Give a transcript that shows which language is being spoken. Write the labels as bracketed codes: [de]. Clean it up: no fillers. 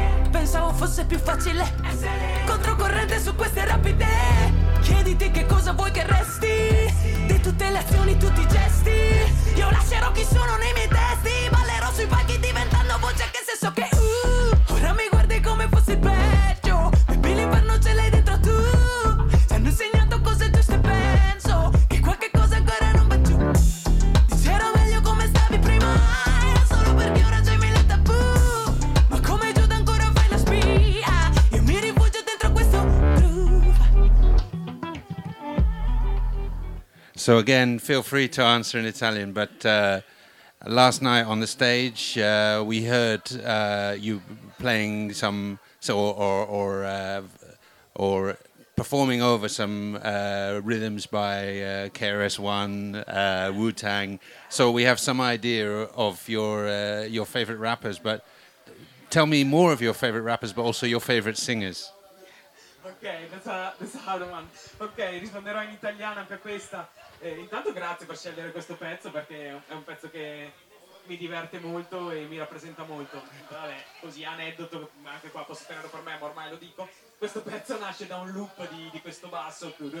[it] pensavo fosse più facile controcorrente su queste rapide, chiediti che cosa vuoi che resti di tutte le azioni, tutti i gesti, io lascerò chi sono nei miei testi, ballerò sui palchi diventando voce, anche se so che ora mi guardi come fossi il peggio, baby, l'inferno ce l'hai dentro tu, ci hanno insegnato cose giuste, penso che qualche cosa ancora non va giù, c'era meglio come stavi prima, solo perché ora c'hai mille tabù, ma come Giuda ancora fai la spia, io mi rifugio dentro questo groove. [en] So again, feel free to answer in Italian, but last night on the stage we heard you playing some or performing over some rhythms by KRS-One, Wu-Tang. So we have some idea of your favorite rappers, but tell me more of your favorite rappers, but also your favorite singers. Okay, that's a hard one. [it] Okay, risponderò in italiano anche questa. Intanto grazie per scegliere questo pezzo, perché è un pezzo che mi diverte molto e mi rappresenta molto. Vabbè, così aneddoto, anche qua posso tenerlo per me, ma ormai lo dico. Questo pezzo nasce da un loop di questo basso.